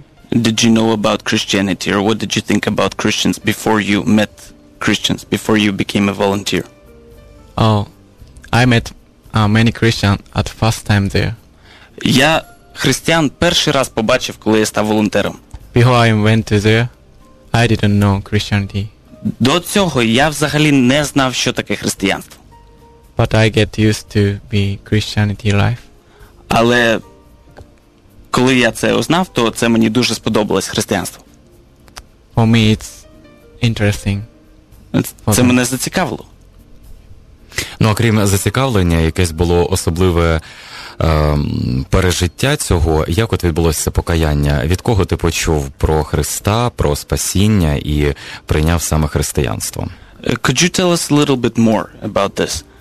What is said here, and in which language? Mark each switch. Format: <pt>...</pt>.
<en>Did you know about Christianity or what did you think about Christians before you met Christians, before you became a volunteer? Oh, I met many Christians at first time there.</en> <uk>Я християн перший раз побачив, коли я став волонтером.</uk> <en>Before I went to there, I didn't know Christianity.</en> <uk>До цього я взагалі не знав, що таке християнство.</uk> <en>But I get used to be Christianity life.</en> <uk>Але коли я це узнав, то це мені дуже сподобалось, християнство.</uk> <en>For me it's interesting.</en> <uk>Це мене зацікавило. Ну, окрім зацікавлення, якесь було особливе пережиття цього, як от відбулося покаяння? Від кого ти почув про Христа, про спасіння і прийняв саме християнство?</uk> <en>Could you tell us a little bit more about this?</en>